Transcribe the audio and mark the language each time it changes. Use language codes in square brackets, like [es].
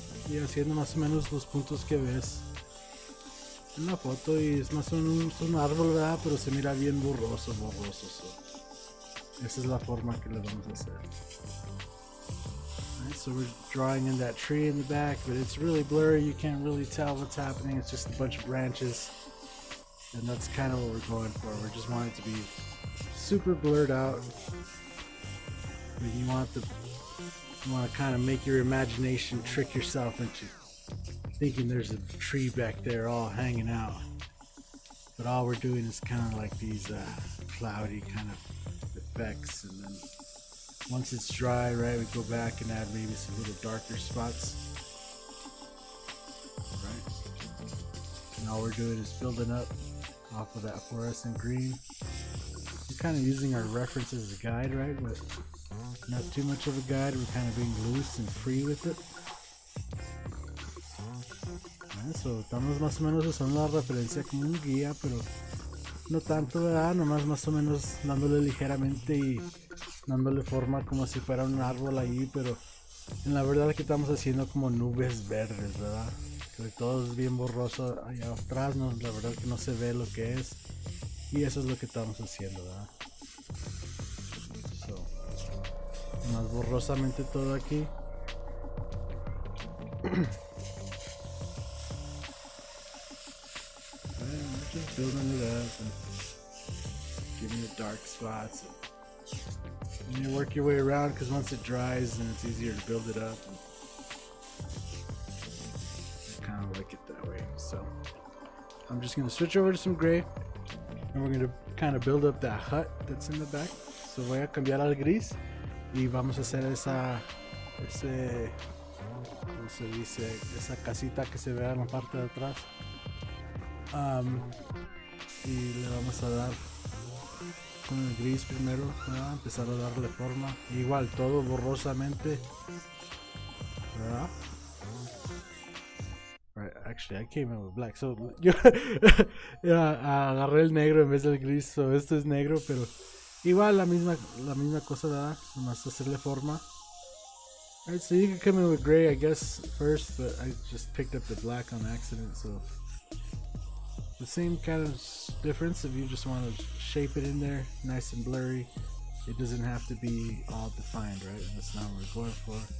[es] Y haciendo más o menos los puntos que ves en la foto. Y es más o menos un árbol, ¿verdad? Pero se mira bien borroso, borroso. So, esa es la forma que le vamos a hacer. [en] Right, so we're drawing in that tree in the back, but it's really blurry. You can't really tell what's happening. It's just a bunch of branches. And that's kind of what we're going for. We just want it to be super blurred out. And you want the, you want to kind of make your imagination trick yourself into thinking there's a tree back there all hanging out. But all we're doing is kind of like these cloudy kind of effects. And then once it's dry, right, we go back and add maybe some little darker spots. Right. And all we're doing is building up off of that fluorescent green. We're kind of using our reference as a guide, right? But not too much of a guide. We're kind of being loose and free with it. [es] Eso, estamos más o menos usando la referencia como un guía, pero no tanto, ¿verdad? Nomás más o menos dándole ligeramente y dándole forma como si fuera un árbol ahí, pero en la verdad es que estamos haciendo como nubes verdes, ¿verdad? Que todo es bien borroso allá atrás, ¿no? La verdad es que no se ve lo que es. Y eso es lo que estamos haciendo, ¿verdad? So, más borrosamente todo aquí. [en] Building it up and giving it dark spots. And you work your way around because once it dries, then it's easier to build it up. And I kind of like it that way. So I'm just going to switch over to some gray and we're going to kind of build up that hut that's in the back. [es] So voy a cambiar al gris y vamos a hacer esa, ese, ¿cómo se dice? Esa casita que se ve en la parte de atrás. Y le vamos a dar con el gris primero, ¿verdad? Empezar a darle forma. Igual, todo borrosamente, ¿verdad? [en] Right, actually, I came in with black. So, [es] yo agarré el negro en vez del gris. So, esto es negro, pero igual la misma cosa, ¿verdad? Nomás hacerle forma. [en] Alright, so you can come in with gray, I guess, first. But I just picked up the black on accident, so... The same kind of difference if you just want to shape it in there, nice and blurry. It doesn't have to be all defined, right? And that's not what we're going for.